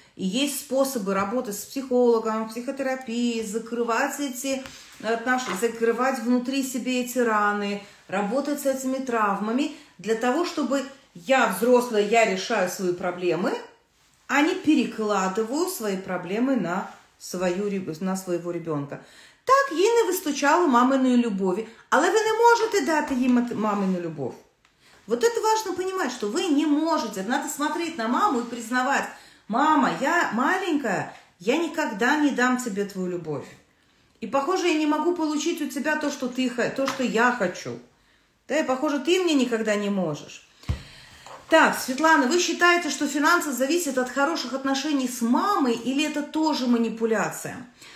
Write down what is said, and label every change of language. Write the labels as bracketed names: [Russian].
[Russian] И есть способы работы с психологом, психотерапией, закрывать эти отношения, закрывать внутри себе эти раны, работать с этими травмами для того, чтобы я взрослая, я решаю свои проблемы, а не перекладываю свои проблемы на своего ребенка. [Ukrainian] Так, ей не вистачало маминої любові. Але ви не можете дати їй мамину любов. [Russian] Вот это важно понимать, что вы не можете. Надо смотреть на маму и признавать. Мама, я маленькая, я никогда не дам тебе твою любовь. И, похоже, я не могу получить у тебя то, что ты, то, что я хочу. Да, и, похоже, ты мне никогда не можешь. Так, Светлана, вы считаете, что финансы зависят от хороших отношений с мамой или это тоже манипуляция?